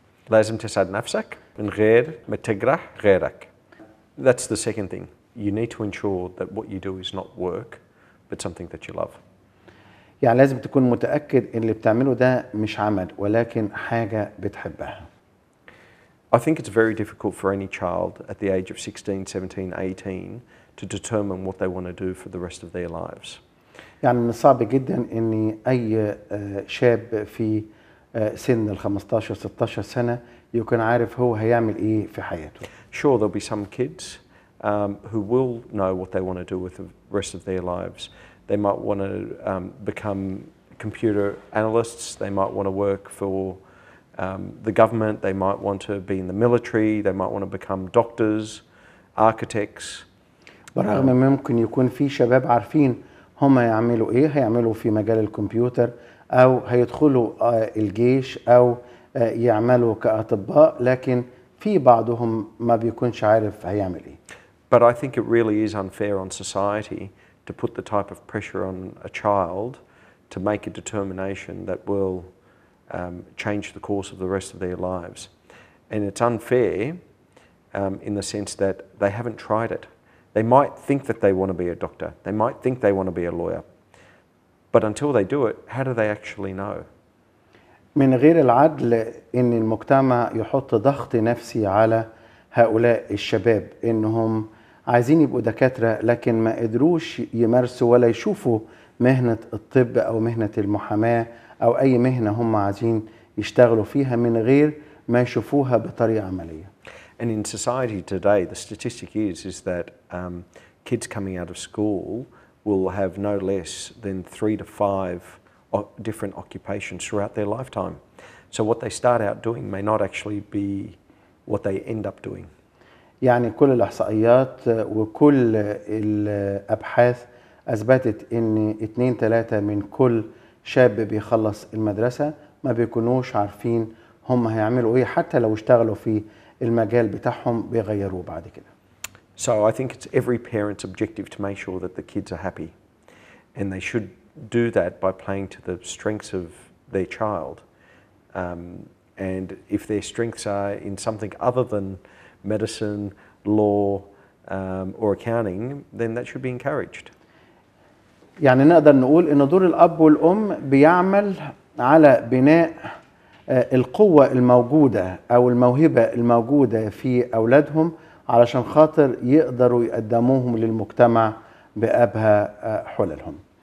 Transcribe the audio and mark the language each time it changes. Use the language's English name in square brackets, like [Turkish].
[Arabic] لازم تسعد نفسك من غير ما تجرح غيرك. [English] That's the second thing. You need to ensure that what you do is not work, but something that you love. [Arabic] يعني لازم تكون متأكد إن اللي بتعمله ده مش عمل ولكن حاجة بتحبها. [English] I think it's very difficult for any child at the age of 16, 17, 18 to determine what they want to do for the rest of their lives. [Arabic] يعني من الصعب جدا إن أي شاب في سن ال 15, 16 سنة يكون عارف هو هيعمل إيه في حياته. [English] Sure, there'll be some kids who will know what they want to do with the rest of their lives. They might want to become computer analysts. They might want to work for the government. They might want to be in the military. They might want to become doctors, architects. [Arabic] برغم ممكن يكون في شباب عارفين هم هيعملوا ايه, هيعملوا في مجال الكمبيوتر او هيدخلوا الجيش او يعملوا كأطباء, لكن في بعضهم ما بيكونش عارف هيعمل ايه. [English] But I think it really is unfair on society to put the type of pressure on a child to make a determination that will change the course of the rest of their lives. And it's unfair in the sense that they haven't tried it. They might think that they want to be a doctor. They might think they want to be a lawyer. But until they do it, how do they actually know? [Arabic] من غير العدل إن المجتمع يحط ضغط نفسي على هؤلاء الشباب إنهم عايزين يبقوا دكاترة لكن ما قدروش يمارسوا ولا يشوفوا مهنة الطب أو مهنة المحاماة أو أي مهنة هم عايزين يشتغلوا فيها من غير ما يشوفوها بطريقة عملية. [English] And in society today, the statistic is that kids coming out of school will have no less than 3 to 5 different occupations throughout their lifetime. So what they start out doing may not actually be what they end up doing. [Arabic] يعني كل الإحصائيات وكل الأبحاث أثبتت أن 2-3 من كل شاب بيخلص المدرسة ما بيكونوش عارفين هم هيعملوا إيه حتى لو اشتغلوا في المجال بتاعهم بيغيروه بعد كده. [English] So I think it's every parent's objective to make sure that the kids are happy. And they should do that by playing to the strengths of their child. And if their strengths are in something other than medicine, law, or accounting, then that should be encouraged. [Arabic] يعني نقدر نقول إن دور الأب والأم بيعمل على بناء القوة الموجودة أو الموهبة الموجودة في أولادهم علشان خاطر يقدروا يقدموهم للمجتمع بأبهى حللهم.